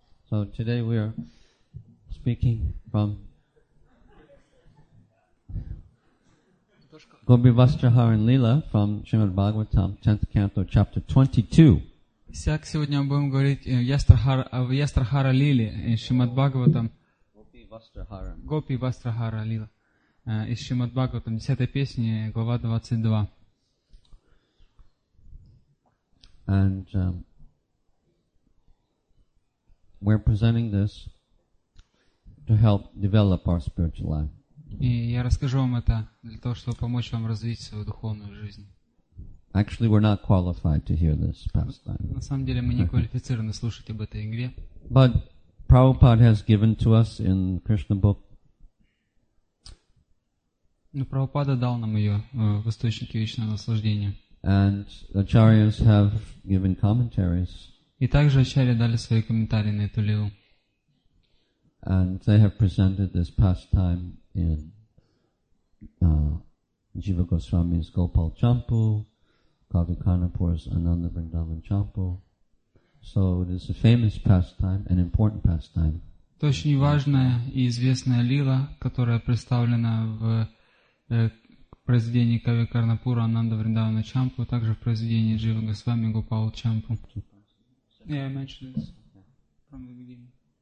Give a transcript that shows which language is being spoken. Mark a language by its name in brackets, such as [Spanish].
[English] So today we are speaking from Gopi Vastrahar and Leela from Srimad Bhagavatam, 10th canto, chapter 22. [Russian] Итак, сегодня мы будем говорить Ястрахара Лили из Шримад Бхагаватам. Гопи Вастрахара Лила из Шримад Бхагаватам, 10 песни, глава 22. [English] And we're presenting this to help develop our spiritual life. [Russian] И я расскажу вам это для того, чтобы помочь вам развить свою духовную жизнь. [English] Actually, we're not qualified to hear this pastime. [Russian] На самом деле, мы не квалифицированы слушать об этой игре. [English] But Prabhupada has given to us in Krishna book. [Russian] Но Прабхупада дал нам ее в источнике вечного наслаждения. [English] And acharyas have given commentaries. [Russian] И также ачарьи дали свои комментарии на эту лилу. [English] And they have presented this pastime in Jiva Goswami's Gopal Champu, Kavi Kanapur's Ananda Vrindavan Champu. So it is a famous pastime, an important pastime. [Russian] Это очень важная и известная лила, которая представлена в произведении Кави Карнапура Ананда Вриндавана Чампу, также в произведении Джива Госвами Гопала Чампу. [English] Yeah, I mentioned this from the beginning.